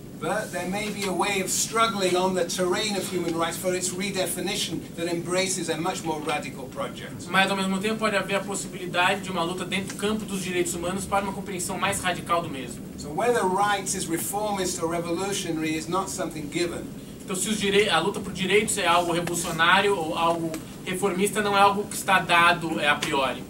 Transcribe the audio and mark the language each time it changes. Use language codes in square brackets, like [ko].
[en] But there may be a way of struggling on the terrain of human rights for its redefinition that embraces a much more radical project. [pt] Mas ao mesmo tempo pode haver a possibilidade de uma luta dentro do campo dos direitos humanos para uma compreensão mais radical do mesmo. [en] So whether rights is reformist or revolutionary is not something given. [pt] Então se os a luta por direitos é algo revolucionário ou algo reformista não é algo que está dado a priori.